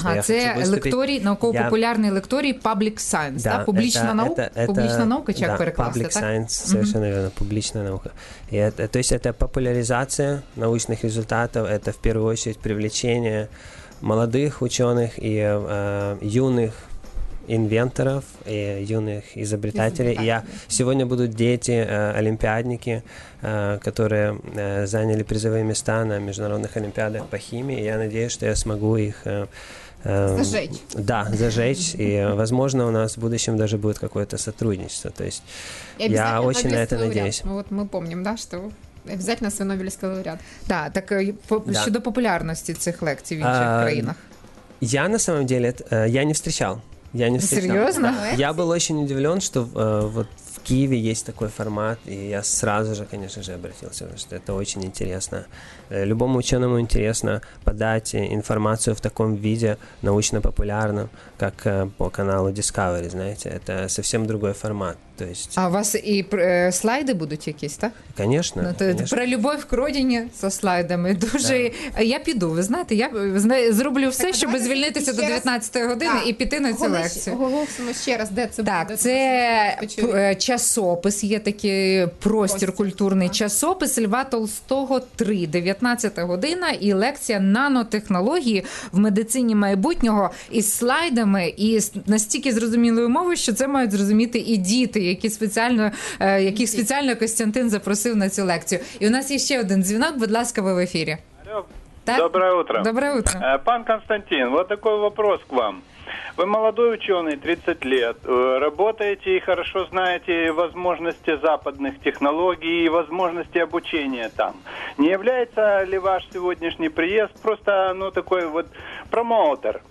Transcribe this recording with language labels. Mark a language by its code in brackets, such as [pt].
[ru] Ага, это лекторий, науково-популярный лекторий Public Science, да? Публичная наука, как [uk] перекласти, так? [ru] Да, Public Science, совершенно верно, публичная наука. И то есть это популяризация научных результатов, это в первую очередь привлечение молодых ученых и юных инвенторов и юных изобретателей. И я сегодня будут дети, олимпиадники, которые заняли призовые места на международных олимпиадах по химии. Я надеюсь, что я смогу их зажечь. Да, зажечь. И, возможно, у нас в будущем даже будет какое-то сотрудничество. То есть я очень на это надеюсь. Вот мы помним, да, что обязательно свой Нобелевский лауреат. [uk] Да, так щодо популярности цих лекцій в інших країнах. [ru] Я на самом деле я не встречал. Я не встречал. Серьезно? Я был очень удивлен, что вот в Киеве есть такой формат, и я сразу же, конечно же, обратился, потому что это очень интересно. Любому ученому интересно подать информацию в таком виде, научно-популярном, как по каналу Discovery, знаете, это совсем другой формат. То есть... А у вас и слайды будут [uk] якісь, так? [ru] Конечно. Ну, то конечно. Про любовь к родине со слайдами. [uk] Дуже... Да. Я піду, ви знаєте, я зроблю все, так, щоб звільнитися до 19-ї години і піти на цю лекцію. Оголосимо ще раз, де це так, буде. Це часопис, є такий простір культурний часопис Льва Толстого 3, 19-та година і лекція нанотехнології в медицині майбутнього із слайдами і настільки зрозумілою мовою, що це мають зрозуміти і діти. Яких спеціально Костянтин запросив на цю лекцію. І у нас є ще один дзвінок, будь ласка, ви в ефірі. [ru] Доброе утро. Доброе утро. Пан Константин, вот такой вопрос к вам. Вы молодой ученый, 30 лет, работаете и хорошо знаете возможности западных технологий и возможности обучения там. Не является ли ваш сегодняшний приезд просто, ну, такой вот промоутер?